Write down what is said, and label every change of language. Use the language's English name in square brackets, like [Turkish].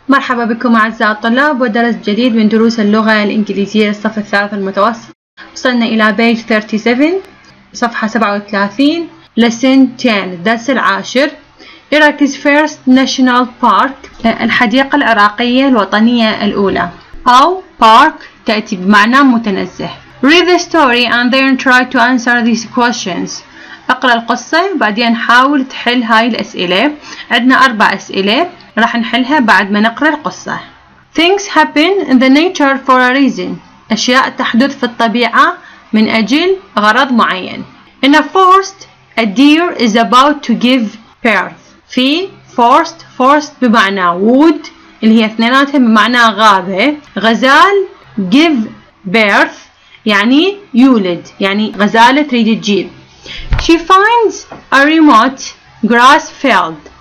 [Arabic] مرحبا بكم أعزائي الطلاب ودرس جديد من دروس اللغة الإنجليزية للصف الثالث المتوسط. وصلنا إلى page 37 صفحة 37 lesson 10 الدرس العاشر [English] Iraq's first national park [Arabic] الحديقة العراقية الوطنية الأولى أو park تأتي بمعنى متنزه. [English] Read the story and then try to answer these questions. [Arabic] اقرأ القصة وبعدين حاول تحل هاي الأسئلة. عندنا أربع أسئلة راح نحلها بعد ما نقرأ القصة. [English] Things happen in the nature for a reason. [Arabic] أشياء تحدث في الطبيعة من أجل غرض معين. [English] In a forest, a deer is about to give birth. [Arabic] في forest, forest بمعنى wood اللي هي اثنيناتها بمعنى غابة. غزال [English] give birth [Arabic] يعني يولد. يعني غزالة تريد تجيب. [English] She finds a remote grass field.